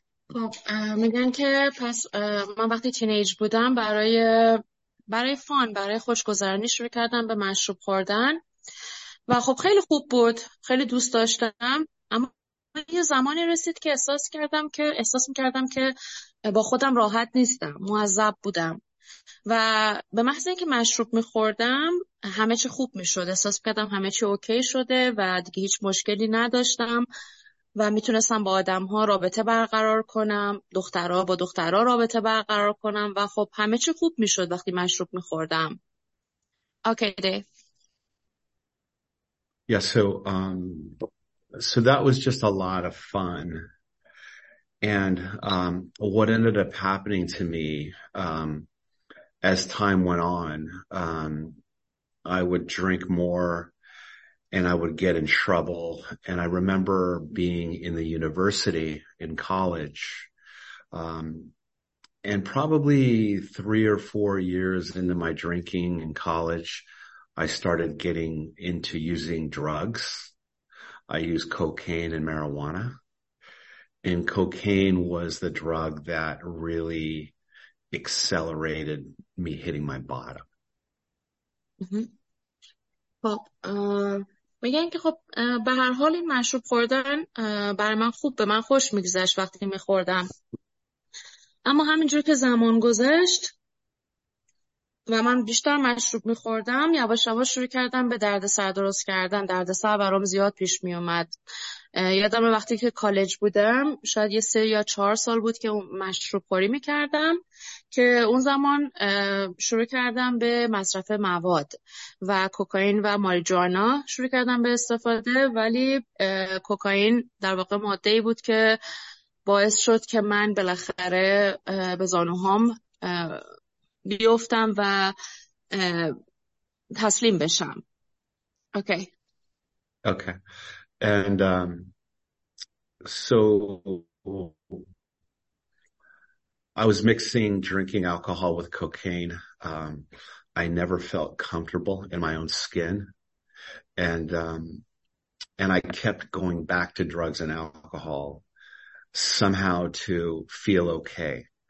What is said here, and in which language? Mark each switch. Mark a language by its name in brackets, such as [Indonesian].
[Persian] خب میگن که پس من وقتی تینیج بودم برای فان برای خوشگذرانی شروع کردم به مشروب خوردن و خب خیلی خوب بود، خیلی دوست داشتم، اما یه زمانی رسید که احساس میکردم که با خودم راحت نیستم، معذب بودم و به محض اینکه مشروب میخوردم همه چی خوب میشد، احساس میکردم همه چی اوکی شده و دیگه هیچ مشکلی نداشتم و میتونستم با آدم ها رابطه برقرار کنم، دخترها با دخترها رابطه برقرار کنم و خب همه چی خوب میشد وقتی مشروب میخوردم. [English] Okay, Dave. Yeah, so that was just a lot of fun. And what ended up happening to me as time went on, I would drink more. And I would get in trouble. And I remember being in the university in college, and probably 3 or 4 years into my drinking in college, I started getting into using drugs. I used cocaine and marijuana. And cocaine was the drug that really accelerated me hitting my bottom. Mm-hmm. [Persian] Well, میگن که خب به هر حال این مشروب خوردن برای من خوب، به من خوش میگذشت وقتی میخوردم، اما همینجور که زمان گذشت و من بیشتر مشروب میخوردم، یواش یواش شروع کردم به درد سر درست کردن، درد سر برام زیاد پیش میومد. یادم وقتی که کالج بودم، شاید یه 3 یا 4 سال بود که مشروب خوری میکردم، که اون زمان شروع کردم به مصرف مواد و کوکائین و ماریجوانا شروع کردم به استفاده، ولی کوکائین در واقع ماده‌ای بود که باعث شد که من بالاخره به زانوهام بیفتم و تسلیم بشم. [English] Okay. And so I was mixing drinking alcohol with cocaine. I never felt comfortable in my own skin. And I kept going back to drugs and alcohol somehow to feel okay.